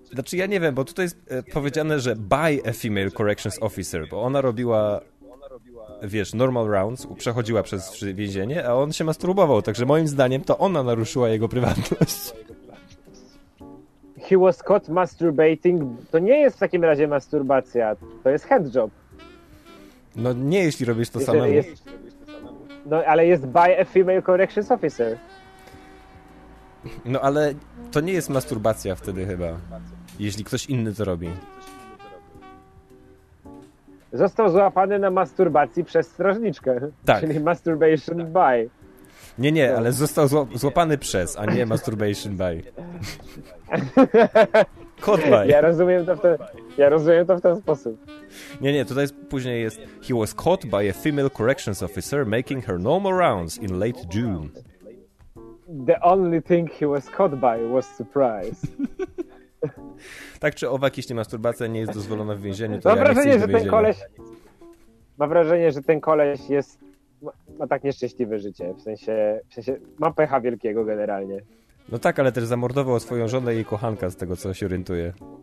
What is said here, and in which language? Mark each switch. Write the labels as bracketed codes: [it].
[pl] Znaczy ja nie wiem, bo tutaj jest powiedziane, że [en] by a female corrections officer, [pl] bo ona robiła, wiesz, [en] normal rounds, [pl] przechodziła przez więzienie, a on się masturbował, także moim zdaniem to ona naruszyła jego prywatność. [en] He was caught masturbating. [pl] To nie jest w takim razie masturbacja. To jest handjob. No nie, jeśli robisz to samemu. No ale jest [en] by a female corrections officer. [pl] No ale to nie jest masturbacja wtedy chyba. Jeśli ktoś inny to robi. Został złapany na masturbacji przez strażniczkę. Tak. Czyli masturbation tak. By. Nie, nie, ale został złapany przez, a nie masturbation by. Kod by. Ja rozumiem to w ten sposób. Nie, nie, tutaj później jest [en] he was caught by a female corrections officer making her normal rounds in late June. The only thing he was caught by was surprise. [pl] Tak czy owak, jeśli masturbacja nie jest dozwolona w więzieniu, to mam ja wrażenie, nie chcę iść do więzienia. Mam wrażenie, że ten koleś jest ma tak nieszczęśliwe życie, w sensie ma pecha wielkiego generalnie. No tak, ale też zamordował swoją żonę i jej kochanka, z tego co się orientuje.